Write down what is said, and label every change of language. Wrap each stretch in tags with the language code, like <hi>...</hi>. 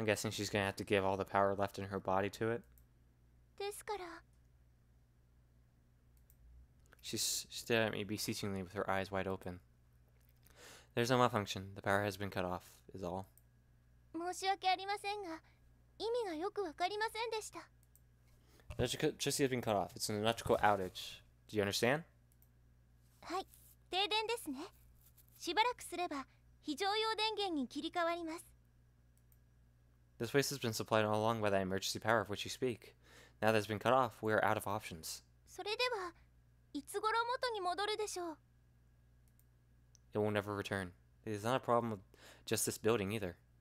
<en>I'm guessing she's going to have to give all the power left in her body to it.</en> <ja>ですから...</ja> <en>She stared at me beseechingly with her eyes wide open. There's no malfunction. The power has been cut off, is all.</en> <ja>申し訳ありませんが、意味がよくわかりませんでした。</ja> <en>Electricity has been cut off. It's an electrical outage. Do you understand?</en> <ja>はい、停電ですね。しばらくすれば非常用電源に切り替わります。</ja> <en>This place has been supplied all along by that emergency power of which you speak. Now that it's been cut off, we are out of options.</en> <ja>それでは、いつ頃元に戻るでしょう?</ja> <en>It will never return. It is not a problem with just this building, either.</en>